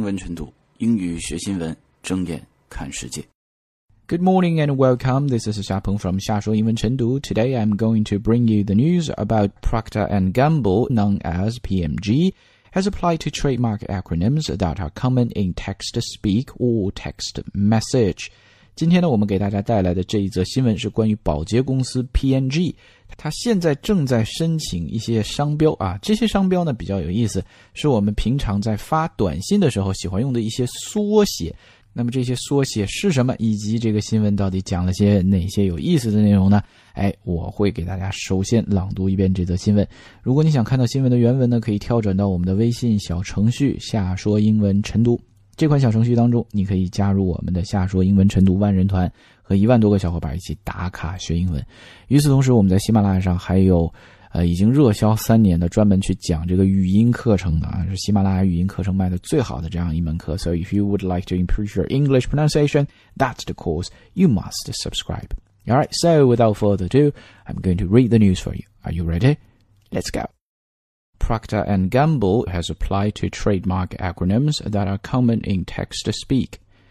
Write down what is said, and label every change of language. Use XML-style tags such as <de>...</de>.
<zh>学英语的目的各种各样，每个人学英语的方式也千差万别。方法有没有效，关键在于坚持。坚持到底才是胜利。过去三年，8000多万次的播放量，60多万人次的关注，已经证明了一切。不管是在清晨宁静的校园，还是在人潮涌动的地铁，戴上耳机，你就拥有了这个世界。下说英文晨读，英语学新闻，睁眼看世界。</zh> <en>Good morning and welcome. This is Xia Peng from 下说英文晨读. Today I'm going to bring you the news about Procter & Gamble, known as PMG, has applied to trademark acronyms that are common in text-to-speak or text-message.</en> <zh>今天呢，我们给大家带来的这一则新闻是关于保洁公司 PMG， 它现在正在申请一些商标啊。这些商标呢比较有意思，是我们平常在发短信的时候喜欢用的一些缩写。那么这些缩写是什么，以及这个新闻到底讲了些哪些有意思的内容呢？哎，我会给大家首先朗读一遍这则新闻。如果你想看到新闻的原文呢，可以跳转到我们的微信小程序下说英文晨读。这款小程序当中，你可以加入我们的下说英文晨读万人团，和10000多个小伙伴一起打卡学英文。与此同时，我们在喜马拉雅上还有已经热销3年的专门去讲这个语音课程的啊，是喜马拉雅语音课程卖的最好的这样一门课。</zh> <en>So if you would like to improve your English pronunciation, that's the course you must subscribe. Alright, so without further ado, I'm going to read the news for you. Are you ready? Let's go. Procter & Gamble has applied to trademark acronyms that are common in text-to-speak.</en>